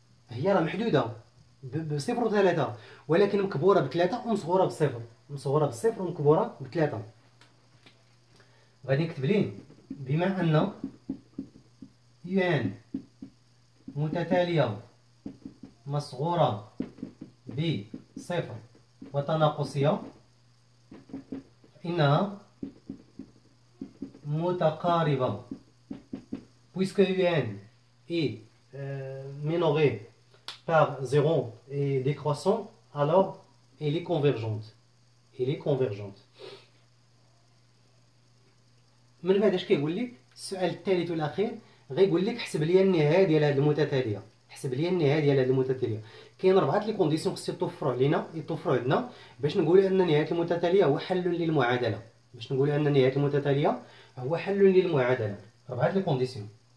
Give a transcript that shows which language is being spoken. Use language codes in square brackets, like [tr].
[ar] هي راه محدوده بصفر وثلاثه، ولكن مكبوره بثلاثه ومصغوره بصفر، مصغوره بصفر ومكبوره بثلاثه. غادي نكتب لين بما ان يو ان متتاليه مصغوره ب صفر وتناقصية فإنها متقاربة [fr] puisque un est minoré par zéro et décroissant, alors elle est convergente. Elle est convergente. [ar] من بعد اش كيقول لك السؤال الثالث والاخير، غيقول لك احسب لي النهايه ديال هذه المتتاليه، احسب لي النهايه ديال هذه المتتاليه. كاين اربعه لي كونديسيون خصو يتوفروا علينا، يتوفروا عندنا باش نقول ان نهايه المتتاليه هو حل للمعادله، باش نقول ان نهايه المتتاليه هو حل للمعادله. اربعه لي كونديسيون.